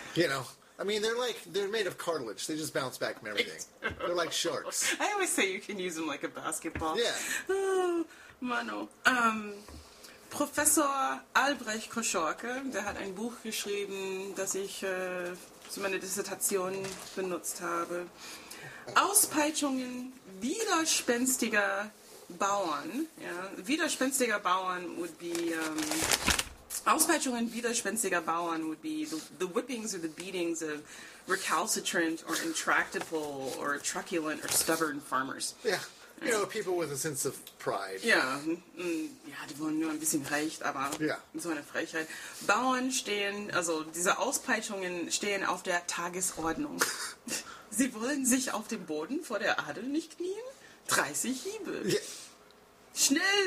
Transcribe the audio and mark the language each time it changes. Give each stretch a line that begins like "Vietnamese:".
English: You know, I mean, they're made of cartilage. They just bounce back from everything. They're like sharks. I always say you can use them like a basketball. Yeah. Oh, mano.
German: Professor Albrecht Koschorke, der hat ein Buch geschrieben, das ich zu meiner Dissertation benutzt habe. Auspeitschungen widerspenstiger Bauern. Ja? Widerspenstiger Bauern
English: would be...
German: Auspeitschungen widerspenstiger Bauern
English: would be the whippings or the beatings of recalcitrant or intractable or truculent or stubborn farmers. Yeah, you know, people with a sense of pride.
German: Ja, die wollen nur ein bisschen Recht, aber so eine Frechheit. Bauern stehen, also diese Auspeitschungen stehen auf der Tagesordnung. Sie wollen sich auf dem Boden vor der Adel nicht knien? 30 Hiebe. Schnell!